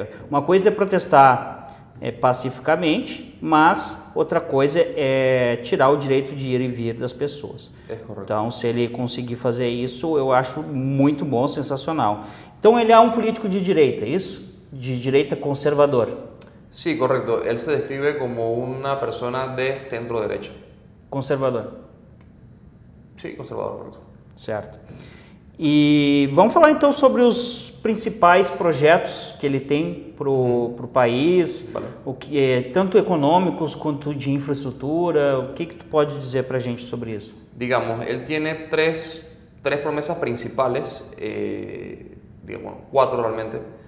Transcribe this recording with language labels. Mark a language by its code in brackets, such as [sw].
[pt] Uma coisa é protestar pacificamente, mas outra coisa é tirar o direito de ir e vir das pessoas. É correto. Então, se ele conseguir fazer isso, eu acho muito bom, sensacional. Então, ele é um político de direita, é isso? De direita conservador. [es] Sí, correcto. Él se describe como una persona de centro-derecha. Conservador. [pt] Sim, sí, conservador, pronto. Certo. E vamos falar então sobre os principais projetos que ele tem para o pro país, vale. O que é, tanto econômicos quanto de infraestrutura, o que que tu pode dizer para a gente sobre isso? Digamos, ele tem três promessas principais, digamos, quatro realmente.